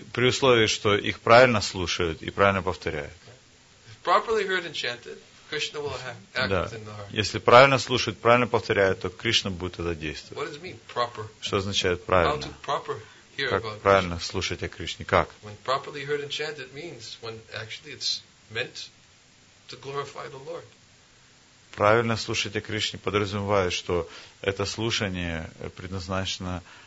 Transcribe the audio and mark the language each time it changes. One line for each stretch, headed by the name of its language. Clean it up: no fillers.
Russian: при условии, что их правильно слушают и правильно повторяют.
English: Krishna will act in the heart.
Russian: Если правильно слушать, правильно повторяют, то Кришна будет тогда действовать.
English: What does it mean, proper?
Russian: Что означает правильно?
English: How to proper hear
Russian: как
English: about
Russian: правильно
English: Krishna?
Russian: Слушать о Кришне? Как?
English: When properly heard and chanted means when actually it's meant to glorify the Lord.
Russian: Правильно слушать о Кришне подразумевает, что это слушание предназначено